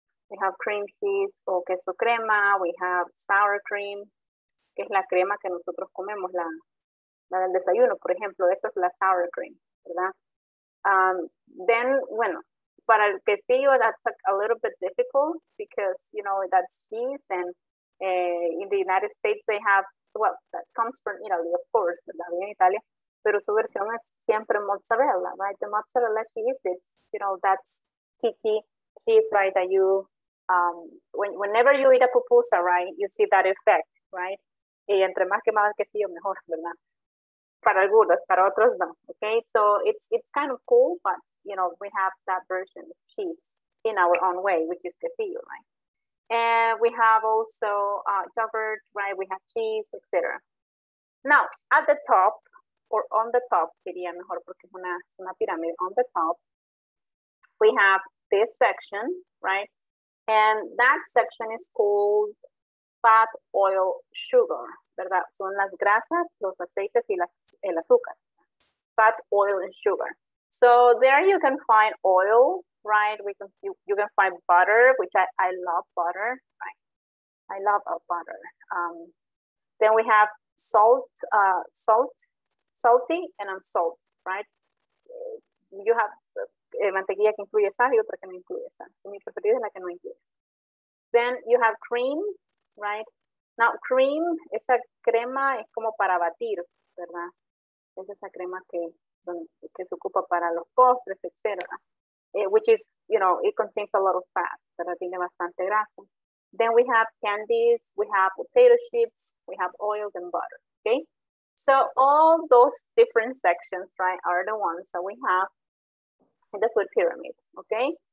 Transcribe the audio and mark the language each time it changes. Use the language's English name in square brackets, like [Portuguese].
[English] We have cream cheese [Spanish] o queso crema, [English] we have sour cream, [Spanish] que es la crema que nosotros comemos, la del desayuno, por ejemplo, esa es la [English] sour cream, [Spanish] ¿verdad? [English] Then, [Spanish] bueno, para el quesillo, [English] that's a little bit difficult because, you know, that's cheese. And in the United States, they have, well, that comes from Italy, of course, ¿verdad? In Italia, [Spanish] pero su versión es siempre mozzarella, [English] right? The mozzarella cheese, it's, you know, that's sticky cheese, right, that you whenever you eat a pupusa, right, you see that effect, right? [Spanish] Y entre más quemado el quesillo, mejor, ¿verdad? Para algunos, para otros no. [English] Okay, so it's kind of cool, but you know, we have that version of cheese in our own way, which is quesillo, right? And we have also yogurt, right? We have cheese, etc. Now, at the top, or on the top, [Spanish] sería mejor porque es una pirámide, [English] on the top, we have this section, right? And that section is called fat, oil, sugar, ¿verdad? [Spanish] Son las grasas, los aceites y el azúcar. [English] Fat, oil, and sugar. So there you can find oil, right? We can, you can find butter, which I love butter, right? I love our butter. Then we have salty and unsalt, right? You have [Spanish] mantequilla que incluye sal y otra que no incluye sal. Mi preferida es la que no incluye sal. [English] Then you have cream, right? Now cream, [Spanish] esa crema es como para batir, ¿verdad? Es esa crema que se ocupa para los postres, etc. [English] Which is, you know, it contains a lot of fat, [Spanish] pero tiene bastante grasa. [English] Then we have candies, we have potato chips, we have oil and butter, okay? So all those different sections, right, are the ones that we have in the food pyramid, okay?